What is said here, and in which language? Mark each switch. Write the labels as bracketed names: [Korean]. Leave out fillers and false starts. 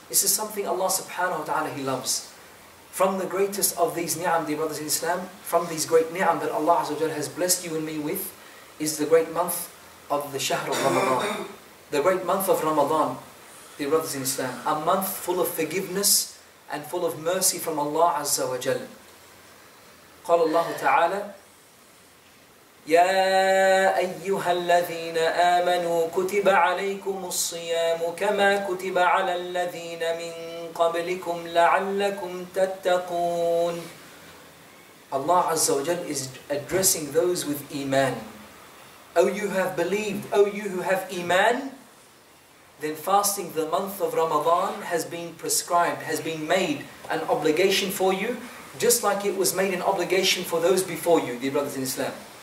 [English] This is something Allah subhanahu wa ta'ala, He loves. From the greatest of these ni'am, dear brothers in Islam, from these great ni'am that Allah azza wa jalla has blessed you and me with, is the great month of the Shahr of Ramadan. The great month of Ramadan, dear brothers in Islam. A month full of forgiveness and full of mercy from Allah azza wa jalla. [Arabic] Qala Allah ta'ala, يا أيها الذين آمنوا كتب عليكم الصيام كما كتب على الذين من قبلكم لعلكم تتقون. [English] Allah Azza wa Jal is addressing those with iman. O you who have believed, O you who have iman, then fasting the month of Ramadan has been prescribed, has been made an obligation for you, just like it was made an obligation for those before you, dear brothers in Islam.